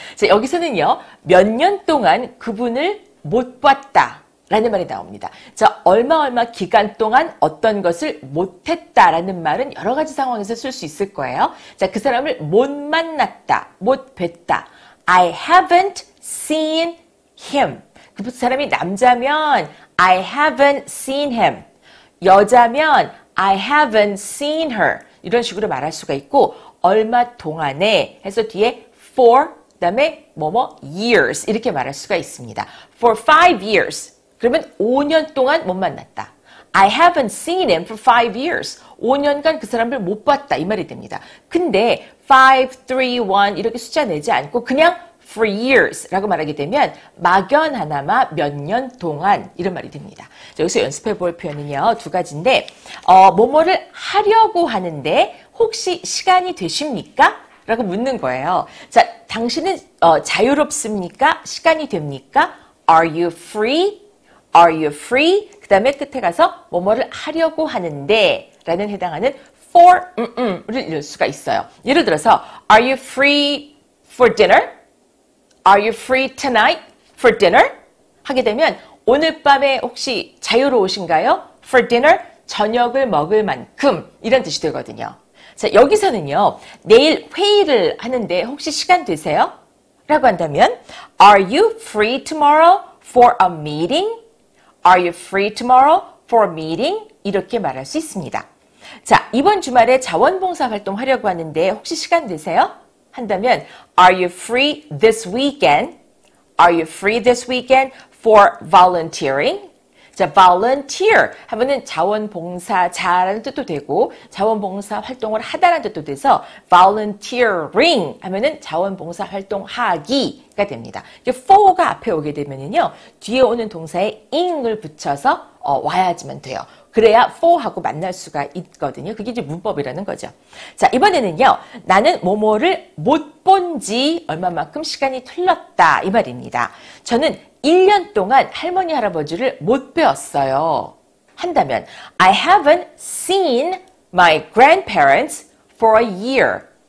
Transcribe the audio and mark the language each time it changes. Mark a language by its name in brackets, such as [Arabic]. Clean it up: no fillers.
[Korean] 자, 여기서는요, 몇년 동안 그분을 못 봤다. 라는 말이 나옵니다. 자, 얼마 기간 동안 어떤 것을 못했다라는 말은 여러 가지 상황에서 쓸수 있을 거예요. 자, 그 사람을 못 만났다, 못 뵀다. [English] I haven't seen him. [Korean] 그 사람이 남자면 [English] I haven't seen him. [Korean] 여자면 [English] I haven't seen her. [Korean] 이런 식으로 말할 수가 있고, 얼마 동안에 해서 뒤에 for, 그다음에 뭐뭐 years 이렇게 말할 수가 있습니다. [English] For 5 years. [Korean] 그러면 5년 동안 못 만났다. [English] I haven't seen him for 5 years. [Korean] 5년간 그 사람을 못 봤다. 이 말이 됩니다. 근데 5, 3, 1 이렇게 숫자 내지 않고 그냥 for years라고 말하게 되면 막연하나마 몇년 동안 이런 말이 됩니다. 자, 여기서 연습해 볼 표현은요. 두 가지인데 뭐뭐를 하려고 하는데 혹시 시간이 되십니까? 라고 묻는 거예요. 자, 당신은 자유롭습니까? 시간이 됩니까? [English] Are you free? Are you free? [Korean] 그 다음에 끝에 가서 뭐뭐를 하려고 하는데 라는 해당하는 for 음음을 넣을 수가 있어요. [English] 예를 들어서 Are you free for dinner? Are you free tonight for dinner? [Korean] 하게 되면 오늘 밤에 혹시 자유로우신가요? [English] For dinner? [Korean] 저녁을 먹을 만큼 이런 뜻이 되거든요. 자, 여기서는요. 내일 회의를 하는데 혹시 시간 되세요? 라고 한다면 [English] Are you free tomorrow for a meeting? Are you free tomorrow for a meeting? [Korean] 이렇게 말할 수 있습니다. 자, 이번 주말에 자원봉사 활동 하려고 하는데 혹시 시간 되세요? [English] 한다면 Are you free this weekend? Are you free this weekend for volunteering? [Korean] 자, volunteer 하면은 자원봉사자라는 뜻도 되고 자원봉사 활동을 하다라는 뜻도 돼서 volunteering 하면은 자원봉사 활동하기가 됩니다. 이게 for가 앞에 오게 되면은요 뒤에 오는 동사에 ing을 붙여서 와야지만 돼요. 그래야 for하고 만날 수가 있거든요. 그게 이제 문법이라는 거죠. 자, 이번에는요 나는 뭐뭐를 못본지 얼마만큼 시간이 흘렀다 이 말입니다. 저는 1년 동안 할머니 할아버지를 못 뵈었어요. 한다면 [English] I haven't seen my grandparents for a year.